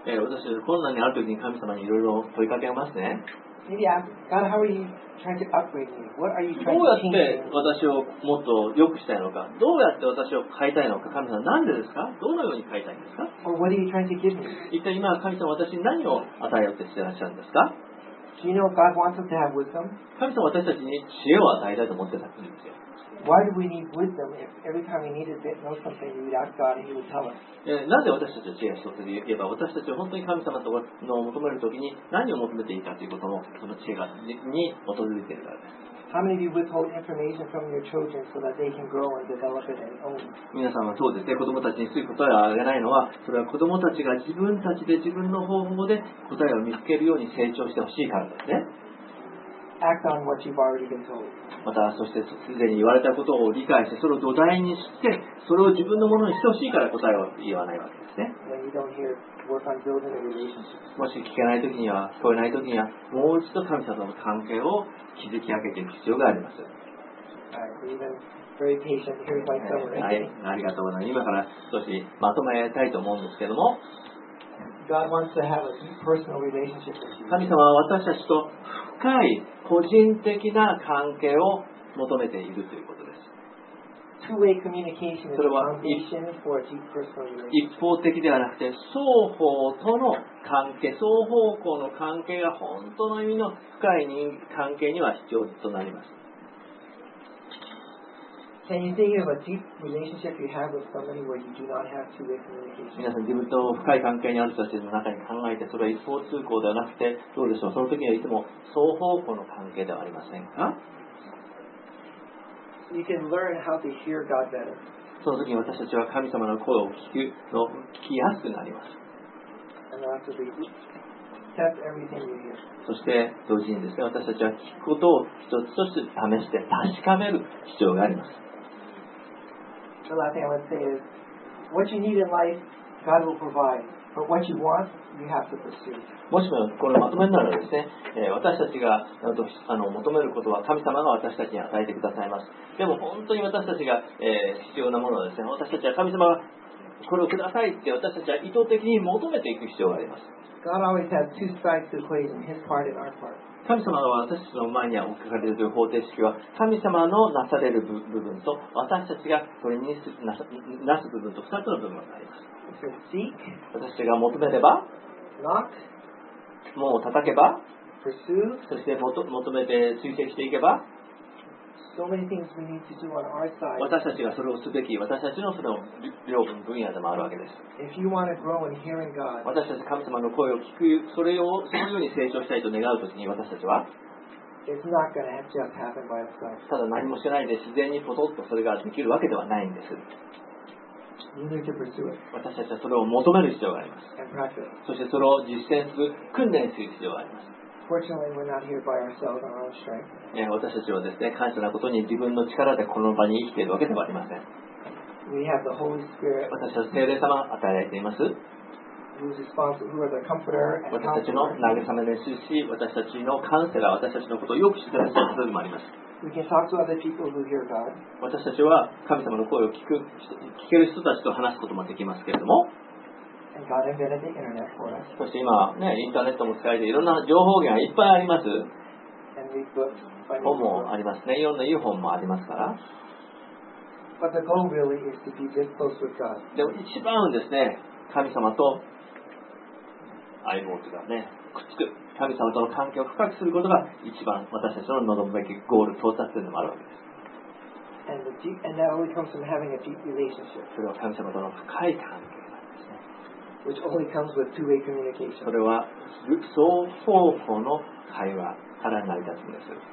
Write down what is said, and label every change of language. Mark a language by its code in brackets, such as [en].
[ja] 私は困難にある時に神様にいろいろ問いかけますね。 [en] Maybe ask God, how are you trying to upgrade me? What are you trying to change? [ja] どうやって私をもっと良くしたいのか、どうやって私を変えたいのか、神様なんでですか、どのように変えたいんですか。 [en] Or what are you trying to give me? [ja] 一体今神様私に何を与えようとしていらっしゃるんですか。 [en] Do you know God wants us to have wisdom? [ja] 神様は私たちに知恵を与えたいと思ってたんですよ。 [en] Why do we need wisdom if every time we needed to know something, we would ask God and He would tell us? [ja] なぜ私たちは知恵を必要といえば、私たちは本当に神様の求めるときに何を求めていいかということも、その知恵がに訪れているからです。 [en] How many of you withhold information from your children so that they can grow and develop it and own? [ja] 皆さんはそうですね。子供たちにすぐ答えをあげないのは、それは子供たちが自分たちで自分の方法で答えを見つけるように成長してほしいからですね。 [en] Act on what you've already been told. [ja] また、そしてすでに言われたことを理解して、それを土台にして、それを自分のものにしてほしいから答えを言わないわけですね。 [en] When you don't hear, work on building a relationship. [ja] もし聞けないときには、聞こえないときには、もう一度神様との関係を築き上げていく必要があります。はい、ありがとうございます。今から少しまとめたいと思うんですけども、 [en] God wants to have a personal relationship with you. [ja] 神様は私たちと深い個人的な関係を求めているということです。 [en] Two-way communication is a foundation for a deep personal relationship. [ja] 一方的ではなくて、双方との関係、双方向の関係が本当の意味の深い人関係には必要となります。 [en] Can you think of a deep relationship you have with somebody where you do not have two-way communication? [ja] 皆さん自分と深い関係にある人たちの中に考えて、それは一方通行ではなくて、どうでしょう、その時はいつも双方向の関係ではありませんか。 [en] You can learn how to hear God better. [ja] その時に私たちは神様の声を聞きやすくなります。 [en] And lastly, test everything you hear. [ja] そして同時にですね、私たちは聞くことを一つ一つ試して確かめる必要があります。 [en] The last thing I want to say is, what you need in life, God will provide. But what you want, you have to pursue. [ja] もしもこれまとめならですね、私たちが求めることは神様が私たちに与えてくださいます。でも本当に私たちが、必要なものはですね、私たちは神様がこれをくださいって私たちは意図的に求めていく必要があります。 [en] God always has two sides to the equation, His part and our part. [ja] 神様が私たちの前に置かれる方程式は、神様のなされる部分と私たちがそれになす部分と2つの部分があります。 [en] Seek, [ja] 私たちが求めれば、 [en] knock, [ja] 門を叩けば、 [en] pursue, [ja] そして求めて追跡していけば、 [en] so many things we need to do on our side. [ja] 私たちがそれをすべき、私たちのその領分分野でもあるわけです。 [en] If you want to grow in hearing God, [ja] 私たち神様の声を聞く、それをそのように成長したいと願うときに私たちは、 [en] it's not going to just happen by itself. [ja] ただ何もしないで自然にポトッとそれができるわけではないんです。私たちはそれを求める必要があります。そしてそれを実践する、訓練する必要があります。 [en] Fortunately, we're not here by ourselves on our own strength. [ja] 私たちはですね、感謝なことに自分の力でこの場に生きているわけではありません。 [en] We have the Holy Spirit. [ja] 私は聖霊様が与えられています。 [en] Who is the comforter and counselor. [ja] 私たちの慰めですし、私たちのカウンセラー、私たちのことをよく知っている人たちもあります。 [en] We can talk to other people who hear God. [ja] 私たちは神様の声を聞ける人たちと話すこともできますけれども、 [en] And God invented the internet for us. [ja] そして今、ね、インターネットも使えていろんな情報源がいっぱいあります。 [en] And read books by [ja] 本もありますね。いろんないい本もありますから。 [en] But the goal really is to be this close with God. [ja] でも一番ですね、神様と相棒というかね、くっつく。神様との関係を深くすることが一番私たちの望むべきゴール到達というのもあるわけです。 [en] And the deep, and that only comes from having a deep relationship. [ja] それは神様との深い関係なんですね。 [en] Which only comes with two-way communication. [ja] それは双方向の会話から成り立つんです。